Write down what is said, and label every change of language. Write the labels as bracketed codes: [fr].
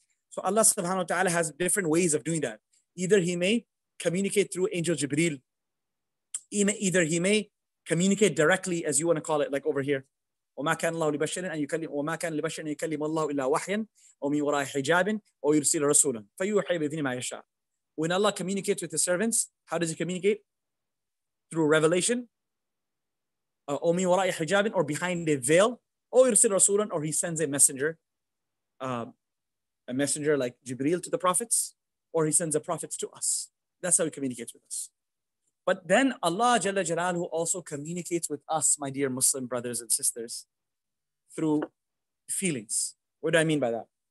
[en] So Allah subhanahu wa ta'ala has different ways of doing that. Either he may communicate through angel Jibreel. Either he may communicate directly, as you want to call it, like over here. [ar] وما كان الله لبشر أن يكلم وما كان لبشر أن يكلم الله إلا وحيا أو من وراء حجاب أو يرسل رسولا فيوحي بإذن ما يشاء. [en] When Allah communicates with his servants, how does he communicate? Through revelation. [ar] أو من وراء حجاب, [en] or behind a veil. [ar] أو يرسل رسولا, [en] or he sends a messenger. A messenger like Jibreel to the prophets, or he sends the prophets to us. That's how he communicates with us. But then Allah Jalla Jalaluhu also communicates with us, my dear Muslim brothers and sisters, through feelings. What do I mean by that?